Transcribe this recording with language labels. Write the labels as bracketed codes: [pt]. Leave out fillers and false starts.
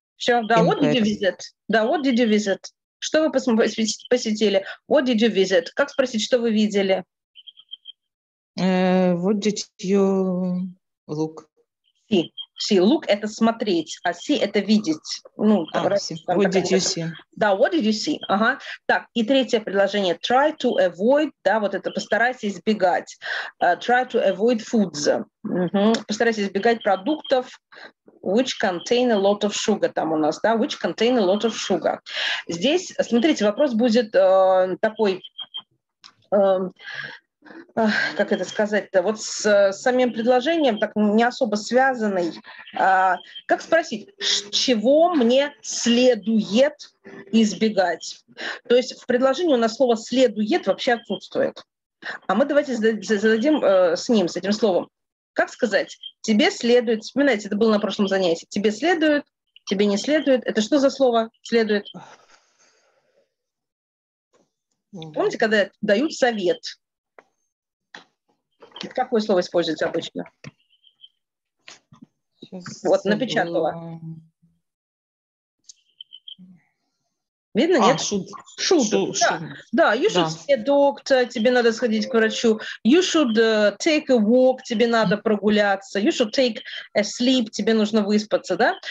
[en] Все, да, what did you visit? Да, what did you visit? [ru] Что вы посетили? [en] What did you visit? [ru] Как спросить, что вы видели? [en] What did you look? [ru] See, look – это смотреть, а see – это видеть. Ну, [en] там, what did you see? Да, what did you see? [ru] Ага. Так, и третье предложение. [en] Try to avoid, [ru] да, вот это, постарайся избегать. [en] Try to avoid foods. [ru] Постарайся избегать продуктов, [en] which contain a lot of sugar, [ru] там у нас, да, [en] which contain a lot of sugar. [ru] Здесь, смотрите, вопрос будет такой… как это сказать-то, вот с самим предложением, так не особо связанный. Как спросить, чего мне следует избегать? То есть в предложении у нас слово «следует» вообще отсутствует. А мы давайте зададим с ним, с этим словом. Как сказать «тебе следует»? Вспоминайте, это было на прошлом занятии. «Тебе следует», «тебе не следует». Это что за слово «следует»? Помните, когда дают совет? Какое слово используется обычно? Сейчас вот, напечатала. Видно, нет? [en] Should. [ru] Да, [en] you should see a doctor, [ru] тебе надо сходить к врачу. [en] You should take a walk, [ru] тебе надо прогуляться. [en] You should take a sleep, [ru] тебе нужно выспаться, да?